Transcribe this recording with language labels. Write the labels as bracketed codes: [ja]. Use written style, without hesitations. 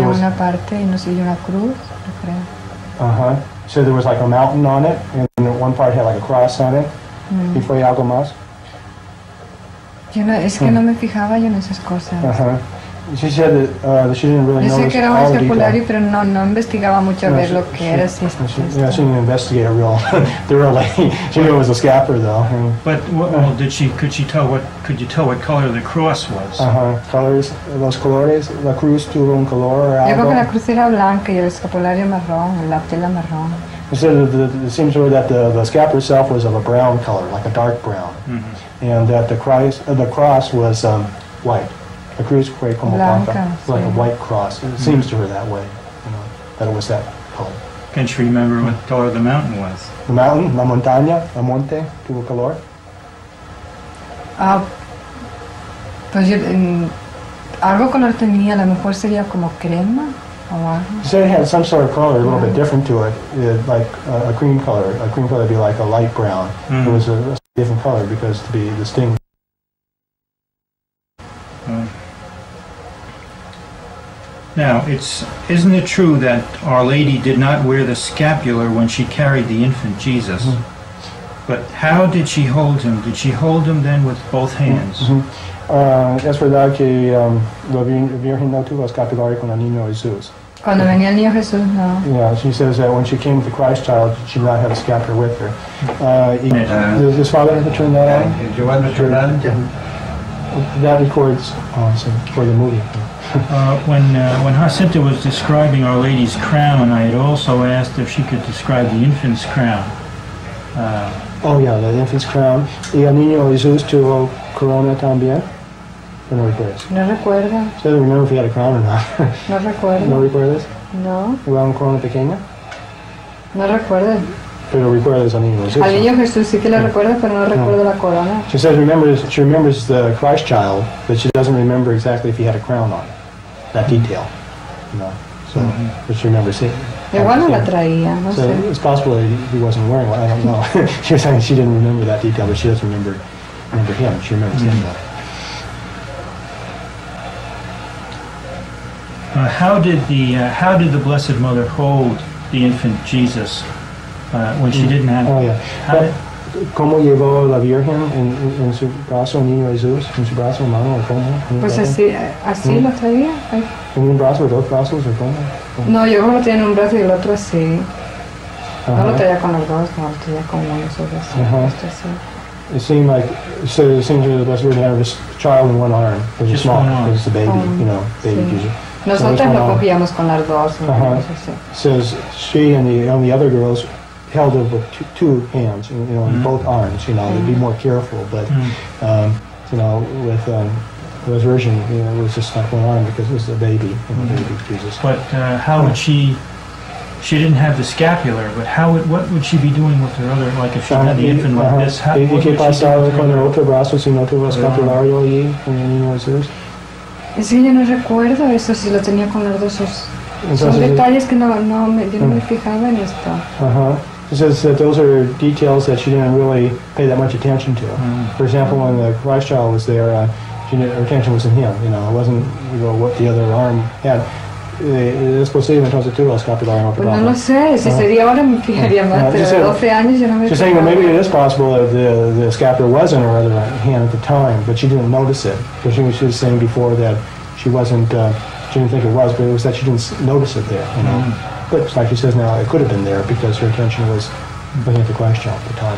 [es] una parte y no sé, una cruz, creo. Uh-huh. [en] So there was like a mountain on it, and one part had like a cross on it. [es] Mm. ¿Y fue algo más? Yo no, es que no me fijaba yo en esas cosas. [en] Uh-huh. She said that she didn't really [es] yo [en] notice [es] sé que era [en] all the detail. [es] Pero no investigaba mucho no, a ver she, lo que she, era. [en] She didn't investigate real thoroughly. She knew it was a scapular, though. But could you tell what color the cross was? Uh-huh. [es] Colors, los colores, la cruz tuvo un color o algo. Yo creo que la cruz era blanca y el escapulario marrón, la tela marrón. [en] So it seems to me that the scapular itself was of a brown color, like a dark brown, mm-hmm. and that the cross was white. The [es] cruz fue como blanca, [en] like [es] sí. [en] a white cross. It seems to her that way, you know, that it was that color. Can she remember what color the mountain was? The mountain, [es] la montaña, el monte, tuvo color? Algo color tenía, a lo mejor sería como crema. [en] She said it had some sort of color, a little bit different to it, like a cream color. A cream color would be like a light brown. Mm. It was a different color because to be distinct. Now, isn't it true that Our Lady did not wear the scapular when she carried the infant Jesus? Mm. But how did she hold him? Did she hold him then with both hands? [es] Mm-hmm. Es verdad que la Virgen no tuvo escapulario con el niño Jesús. Cuando venía el niño Jesús, no. [en] Yeah, she says that when she came with the Christ child, she did not have a scapular with her. Does his father have to turn that on? That records awesome for the movie. When Jacinta was describing Our Lady's crown, I had also asked if she could describe the infant's crown. The infant's crown. [es] Y el niño Jesús tuvo corona también. No recuerdo. [en] So I don't remember if he had a crown or not. [es] No recuerdo. No recuerdas? No. ¿Hubo un corona pequeña? No recuerdo. Pero recuerdas al niño Jesús. Al niño Jesús sí que lo recuerdo, pero no recuerdo la corona. [en] She says she remembers the Christ child, but she doesn't remember exactly if he had a crown on. That detail. No. So, but she remembers it. [es] Igual no la traía, no sé. [en] So it's possible that he wasn't wearing one, I don't know. She was saying she didn't remember that detail, but she doesn't remember him. She remembers him though. How did the Blessed Mother hold the infant Jesus when she didn't have? Oh yeah. [es] ¿Cómo llevó la Virgen en su brazo el niño Jesús? ¿En su brazo, hermano, o cómo? Pues así lo traía. ¿En un brazo, dos brazos, o cómo? No, yo lo tenía en un brazo y el otro así. No lo traía con los dos, no lo traía con uno solo así. [en] It seemed like, so it seems to be the best way to have this child in one arm. Because it's small, because it's a baby, baby Jesus. [es] Nosotros lo cogíamos con las dos. [en] Says she and the other girls held it with two hands, in both arms, they'd be more careful, but, with the Resurrection, it was just like one arm because it was a baby, baby Jesus. But she didn't have the scapular, but what would she be doing with her other, like if she had the infant like this? [es] ¿Y qué pasaba con el otro brazo si no tuvo escapulario allí con el niño Jesús? Es que yo no recuerdo eso, si lo tenía con las dos. Son detalles que no me fijaba en esto. [en] She says that those are details that she didn't really pay that much attention to. Mm. For example, when the Christ child was there, her attention was in him. It wasn't what the other arm had. [es] Es posible entonces tú lo has capturado en otro lado. No lo sé. Si sería ahora me fijaría más. Pero 12 años yo no me. [en] She's saying maybe it is possible that the scapular was in her other hand at the time, but she didn't notice it. So she was saying before that she wasn't. She didn't think it was, but it was that she didn't notice it there. But it's like she says now, it could have been there because her attention was looking at the Christ child at the time.